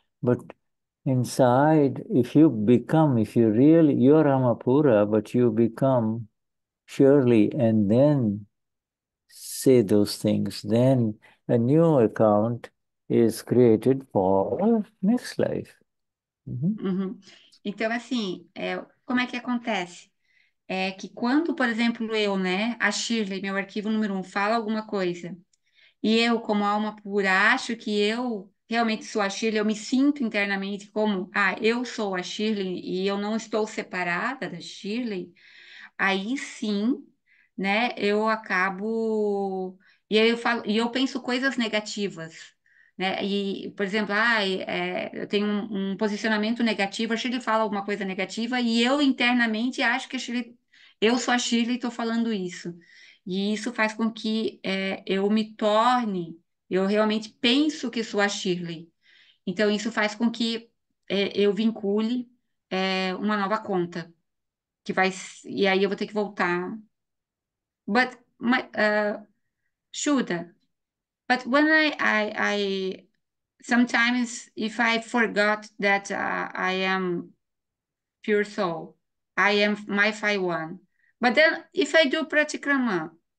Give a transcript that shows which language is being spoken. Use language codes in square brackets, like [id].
[en] But inside, if you really, you are Amapura, but you become Shirley and then say those things, then a new account is created for next life. [pt] Então, assim, como é que acontece? é que quando, por exemplo, eu, né, a Shirley, meu arquivo número um, fala alguma coisa, e eu, como alma pura, acho que eu realmente sou a Shirley, eu me sinto internamente como, ah, eu sou a Shirley e eu não estou separada da Shirley, aí sim, né, eu acabo. E aí eu falo, e eu penso coisas negativas. Né? E, por exemplo, eu tenho um posicionamento negativo, a Shirley fala alguma coisa negativa e eu internamente acho que a Shirley, eu sou a Shirley e estou falando isso. E isso faz com que eu me torne, eu realmente penso que sou a Shirley. Então, isso faz com que eu vincule uma nova conta que vai, e aí eu vou ter que voltar. [sa] Shuddha. [en] But when I sometimes if I forgot that I am pure soul, I am my 5-1. But then if I do pratikrama.